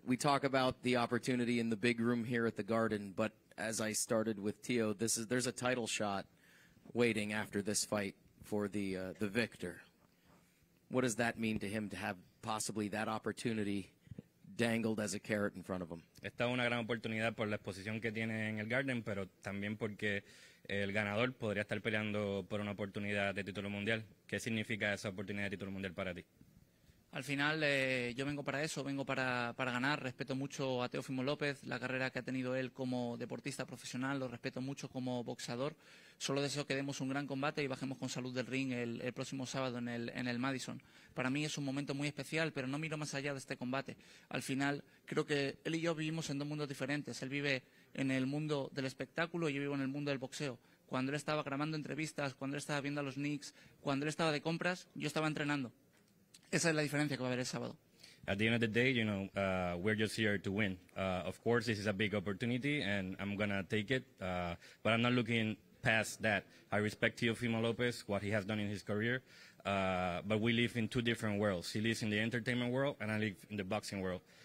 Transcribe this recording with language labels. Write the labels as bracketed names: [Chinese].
[English] We talk about the opportunity in the big room here at the Garden, but as I started with Tio, there's a title shot waiting after this fight for the victor. What does that mean to him to have possibly that opportunity dangled as a carrot in front of him? [Spanish] Esta es una gran oportunidad por la exposición que tiene en el Garden, pero también porque el ganador podría estar peleando por una oportunidad de título mundial. ¿Qué significa esa oportunidad de título mundial para ti? Al final, yo vengo para eso, vengo para ganar. Respeto mucho a Teofimo López, la carrera que ha tenido él como deportista profesional, lo respeto mucho como boxeador. Solo deseo que demos un gran combate y bajemos con salud del ring el próximo sábado en el Madison. Para mí es un momento muy especial, pero no miro más allá de este combate. Al final, creo que él y yo vivimos en dos mundos diferentes. Él vive en el mundo del espectáculo y yo vivo en el mundo del boxeo. Cuando él estaba grabando entrevistas, cuando él estaba viendo a los Knicks, cuando él estaba de compras, yo estaba entrenando. Esa es la diferencia que va a haber el sábado. [English] At the end of the day, you know, we're just here to win. Of course, this is a big opportunity, and I'm going to take it. But I'm not looking past that. I respect Teofimo Lopez, what he has done in his career. But we live in two different worlds. He lives in the entertainment world, and I live in the boxing world.